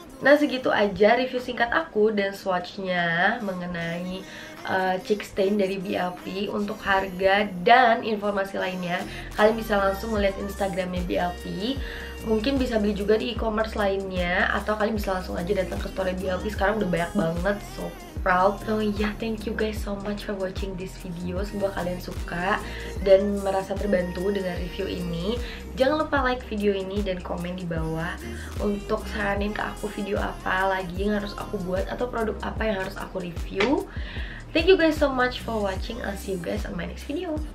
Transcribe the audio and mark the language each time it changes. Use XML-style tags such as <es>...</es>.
<id>Nah segitu aja review singkat aku dan swatchnya mengenai cheek stain dari BLP. Untuk harga dan informasi lainnya kalian bisa langsung melihat Instagramnya BLP. Mungkin bisa beli juga di e-commerce lainnya, atau kalian bisa langsung aja datang ke store BLP. Sekarang udah banyak banget,</id> <en>so proud. So yeah, thank you guys so much for watching this video.</en> <id>Semoga kalian suka dan merasa terbantu dengan review ini. Jangan lupa like video ini dan komen di bawah untuk saranin ke aku video apa lagi yang harus aku buat atau produk apa yang harus aku review.</id> <en>Thank you guys so much for watching. I'll see you guys on my next video.</en>